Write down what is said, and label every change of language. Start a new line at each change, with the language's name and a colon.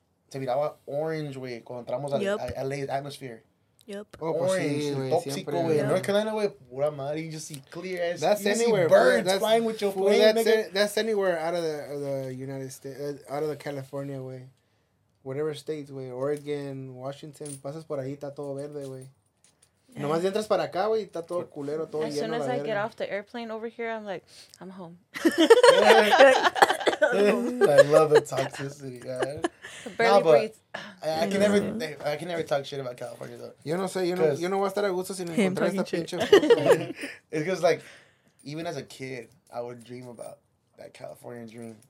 Spanish: Se miraba orange, güey, cuando entramos al LA's atmosphere. Yep. Oh, orange, tóxico, güey. North Carolina, güey, pura madre.
English: You just see clear as... That's anywhere. Birds that's, flying with your plane, nigga. That's anywhere out of the United States, out of the California, güey. Whatever states,
Spanish: güey. Oregon, Washington. Pasas por ahí, está todo verde, güey. Nomás entras para acá, güey, está todo culero, todo
English: lleno. As soon as I get off the airplane over here, I'm like, I'm home. I love the toxicity, guys. Nah, but I can never talk shit about California though.
Spanish: Yo no sé, yo no voy a estar a gusto sin encontrar esta pinche.
English: It's because like, even as a kid, I would dream about that California dream.